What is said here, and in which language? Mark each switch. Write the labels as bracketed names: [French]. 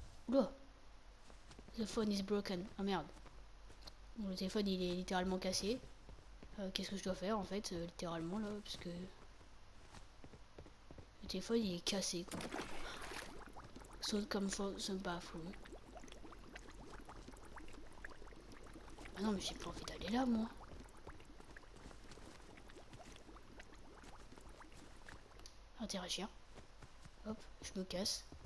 [English] Oula! The phone is broken. [French] Ah merde. Bon, le téléphone il est littéralement cassé. Qu'est-ce que je dois faire en fait, littéralement là? Parce que. Le téléphone il est cassé quoi. [English] So it comes from some bathroom. [French] Ah non, mais j'ai pas envie d'aller là moi. interagir. Hop, je me casse.